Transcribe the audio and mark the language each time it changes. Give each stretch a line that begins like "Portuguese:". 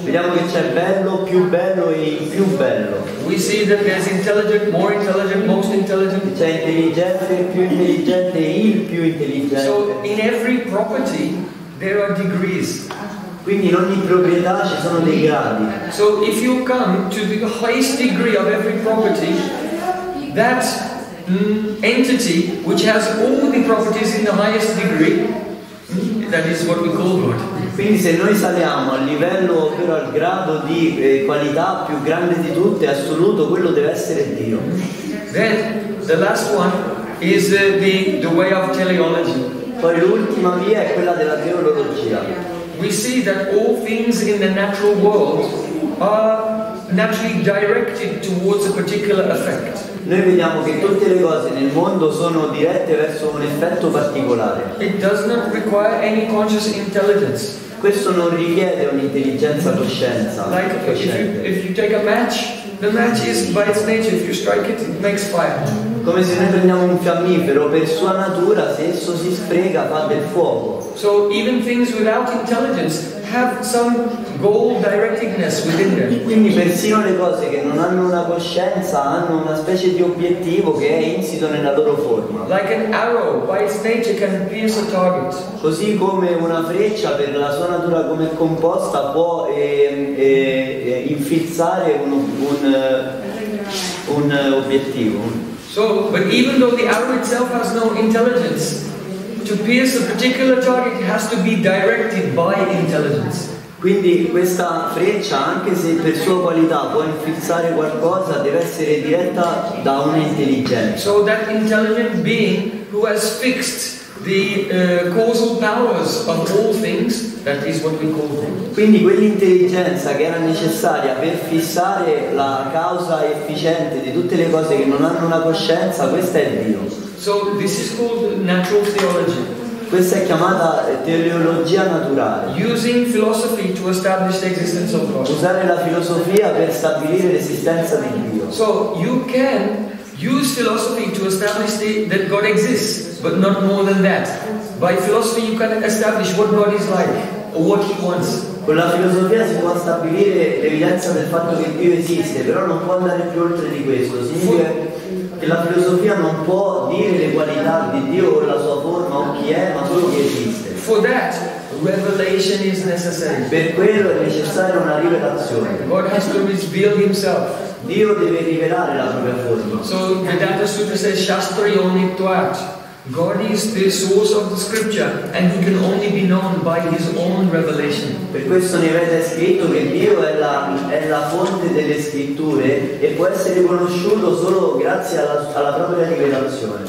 Italian: Vediamo che c'è bello, più bello e il più bello.
English: We see that there's intelligent, more intelligent, most intelligent.
Italian: C'è intelligente, più intelligente e il più intelligente.
English: So in every property there are degrees.
Italian: Quindi in ogni proprietà ci sono dei gradi.
English: So if you come to the highest degree of every property, that entity which has all the properties in the highest degree, that is what we call God.
Italian: Quindi se noi saliamo al livello, ovvero al grado di qualità più grande di tutte, assoluto, quello deve essere Dio.
English: Then the last one is the way of teleology.
Italian: Poi l'ultima via è quella della teologia.
English: We see that all things in the natural world are naturally directed towards a particular effect.
Italian: Noi vediamo che tutte le cose nel mondo sono dirette verso un effetto particolare.
English: It does not require any conscious intelligence.
Italian: Questo non richiede un'intelligenza cosciente.
English: Like if you take a match, the match is by its nature, if you strike it, it makes fire.
Italian: Come se noi prendiamo un fiammifero, per sua natura, se esso si sprega, fa del fuoco.
English: So even things without intelligence have some goal directedness within them.
Italian: Quindi persino le cose che non hanno una coscienza hanno una specie di obiettivo che è insito nella loro forma.
English: Like an arrow by its nature can pierce a target.
Italian: Così come una freccia per la sua natura come è composta può infilzare un obiettivo.
English: So, but even though the arrow itself has no intelligence, to pierce a particular target has to be directed by intelligence.
Italian: Quindi questa freccia, anche se per sua qualità può infilzare qualcosa, deve essere diretta da un'intelligenza.
English: So that intelligent being who has fixed the causal powers of all things, that is what we call them.
Italian: Quindi quell'intelligenza che era necessaria per fissare la causa efficiente di tutte le cose che non hanno una coscienza, questa è Dio.
English: So this is called natural theology.
Italian: Questa è chiamata teleologia naturale.
English: Using philosophy to establish the existence of God.
Italian: Usare la filosofia per stabilire l'esistenza di Dio.
English: So you can use philosophy to establish that God exists, but not more than that. By philosophy you can establish what God is like or what he wants.
Italian: Con la filosofia si può stabilire l'evidenza del fatto che Dio esiste, però non può andare più oltre di questo. Significa che la filosofia non può dire le qualità di Dio o la sua forma o chi è, ma solo che esiste.
English: For that, revelation is necessary.
Italian: Per quello è necessaria una rivelazione.
English: God has to reveal himself.
Italian: Dio deve rivelare la propria forma.
English: So Vedanta Sutra says
Sanskrit: Shastrayoni Tuat.
English: God is the source of the scripture and he can only be known by his own revelation.
Italian: Per questo nei Veda è scritto che Dio è la fonte delle scritture e può essere conosciuto solo grazie alla propria rivelazione.